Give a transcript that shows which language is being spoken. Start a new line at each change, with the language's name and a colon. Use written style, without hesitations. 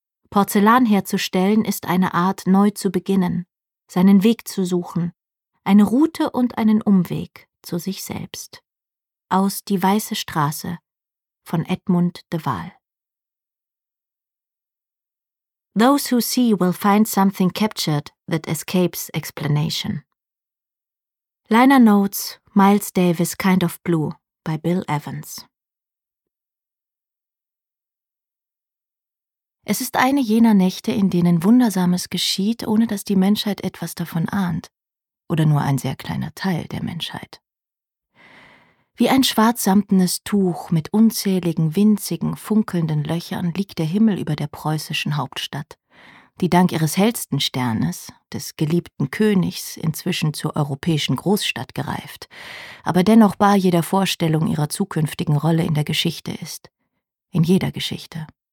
German: Porzellan herzustellen ist eine Art, neu zu beginnen, seinen Weg zu suchen, eine Route und einen Umweg zu sich selbst. Aus Die Weiße Straße von Edmund de Waal.
English: Those who see will find something captured that escapes explanation. Liner Notes, Miles Davis, Kind of Blue by Bill Evans.
German: Es ist eine jener Nächte, in denen Wundersames geschieht, ohne dass die Menschheit etwas davon ahnt. Oder nur ein sehr kleiner Teil der Menschheit. Wie ein schwarzsamtenes Tuch mit unzähligen, winzigen, funkelnden Löchern liegt der Himmel über der preußischen Hauptstadt, die dank ihres hellsten Sternes, des geliebten Königs, inzwischen zur europäischen Großstadt gereift, aber dennoch bar jeder Vorstellung ihrer zukünftigen Rolle in der Geschichte ist. In jeder Geschichte.